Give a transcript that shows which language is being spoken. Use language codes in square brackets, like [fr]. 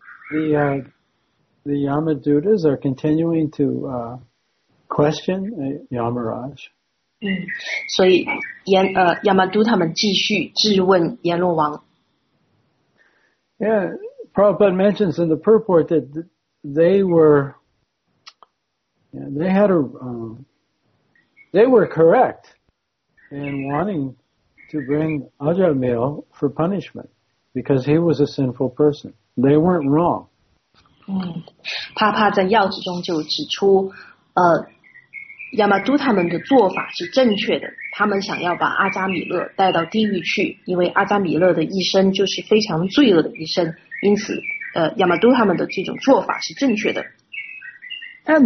[en] So the Yamadutas are continuing to question Yamaraj. [zh] 所以亚玛都他们继续质问阎罗王。 [en] Yeah, Prabhupada mentions in the purport that they were, they were correct in wanting to bring Ajamil for punishment because he was a sinful person. They weren't wrong. [zh] 帕帕在药子中就指出, 亚玛都他们的做法是正确的，他们想要把阿扎米勒带到地狱去，因为阿扎米勒的一生就是非常罪恶的一生，因此，亚玛都他们的这种做法是正确的。 [en] And